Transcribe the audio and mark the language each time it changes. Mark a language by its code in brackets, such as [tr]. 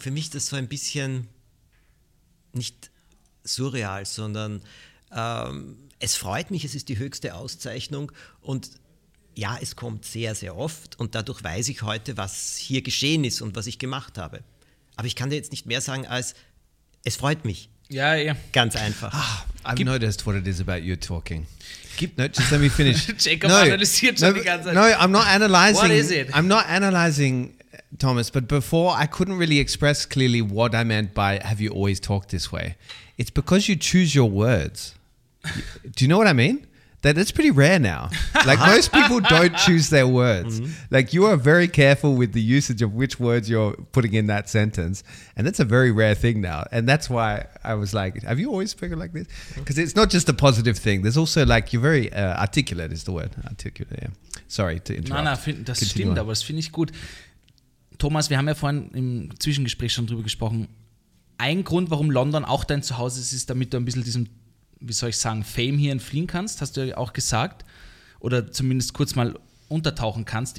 [de] Für mich ist das so ein bisschen nicht surreal, sondern es freut mich, es ist die höchste Auszeichnung. Und ja, es kommt sehr, sehr oft. Und dadurch weiß ich heute, was hier geschehen ist und was ich gemacht habe. Aber ich kann dir jetzt nicht mehr sagen als, es freut mich. [en] Yeah. [de] Ganz einfach. [en] Oh, I've noticed what it is about you talking. [de] Gibt [en] no, just let me finish. [de] Jacob [en] no, [de] analysiert schon die ganze Zeit. [en] No, I'm not analyzing. What is it? I'm not analyzing, Thomas, but before I couldn't really express clearly what I meant by have you always talked this way. It's because you choose your words. Do you know what I mean? That's pretty rare now. Like most people don't choose their words. Mm-hmm. Like you are very careful with the usage of which words you're putting in that sentence. And that's a very rare thing now. And that's why I was like, have you always spoken like this? Because it's not just a positive thing. There's also like, you're very articulate is the word. Articulate, yeah. Sorry to interrupt. [de] Nein, das [en] Continue [de] stimmt, [en] on. [de] Aber das finde ich gut. Thomas, wir haben ja vorhin im Zwischengespräch schon drüber gesprochen. Ein Grund, warum London auch dein Zuhause ist, ist, damit du ein bisschen diesem, wie soll ich sagen, Fame hier entfliehen kannst, hast du ja auch gesagt, oder zumindest kurz mal untertauchen kannst.